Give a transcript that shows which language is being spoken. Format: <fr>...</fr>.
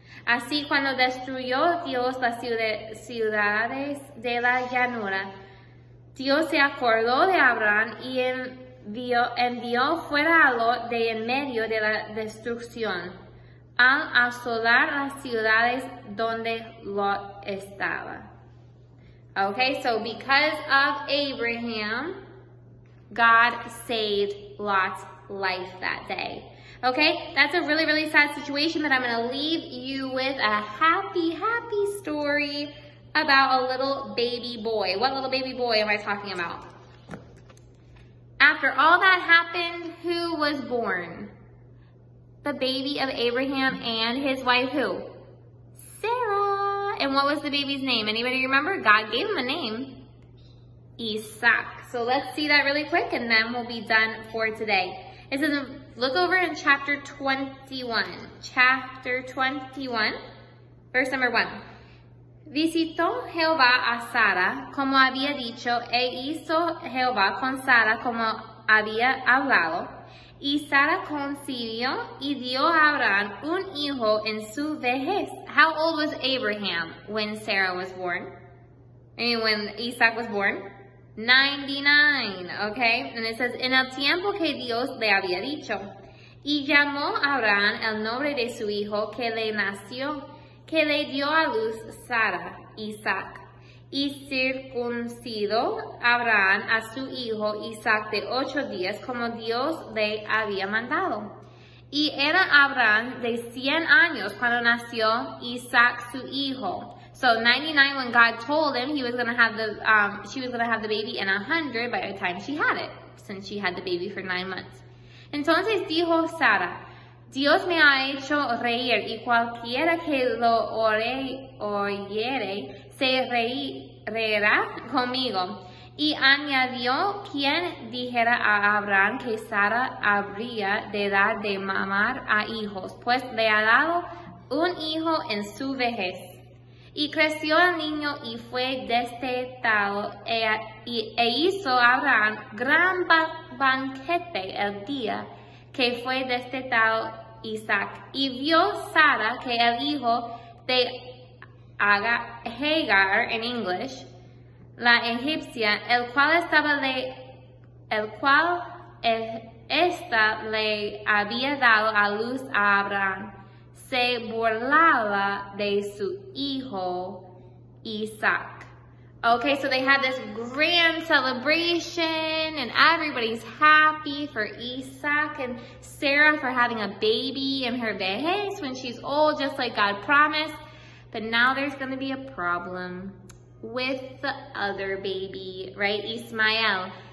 <es>Así cuando destruyó Dios las ciudades de la llanura, Dios se acordó de Abraham y envió fuera a Lot de en medio de la destrucción, al asolar las ciudades donde Lot estaba.</es> <en>Okay, so because of Abraham, God saved Lot's life that day. Okay, that's a really, really sad situation, but I'm going to leave you with a happy, happy story about a little baby boy. What little baby boy am I talking about? After all that happened, who was born? The baby of Abraham and his wife, who? Sarah. And what was the baby's name? Anybody remember? God gave him a name. Isaac. So let's see that really quick, and then we'll be done for today. It says, look over in chapter 21. Chapter 21, verse number 1.</en> <es>Visitó Jehová a Sara, como había dicho, e hizo Jehová con Sara como había hablado. Y Sara concibió y dio a Abraham un hijo en su vejez.</es> <en>How old was Abraham when Sarah was born? I mean, when Isaac was born? 99, okay? And it says,</en> <es>en el tiempo que Dios le había dicho, y llamó Abraham el nombre de su hijo que le nació, que le dio a luz Sara, Isaac. Y circuncidó Abraham a su hijo Isaac de 8 días, como Dios le había mandado. Y era Abraham de 100 años cuando nació Isaac su hijo.</es> <en>So 99 when God told him he was going to have she was going to have the baby, and 100 by the time she had it, since she had the baby for 9 months.</en> <es>Entonces dijo Sara, Dios me ha hecho reír, y cualquiera que lo oyere se reirá conmigo. Y añadió, quien dijera a Abraham que Sara habría de dar de mamar a hijos, pues le ha dado un hijo en su vejez. Y creció el niño y fue destetado, e hizo Abraham gran banquete el día que fue destetado Isaac. Y vio Sara que el hijo de Hagar, en English, la egipcia, el cual le había dado a luz a Abraham, se burlaba de su hijo Isaac.</es> <en>Okay, so they had this grand celebration, and everybody's happy for Isaac and Sarah for having a baby in her vejez when she's old, just like God promised. But now there's going to be a problem with the other baby, right? Ishmael.</en>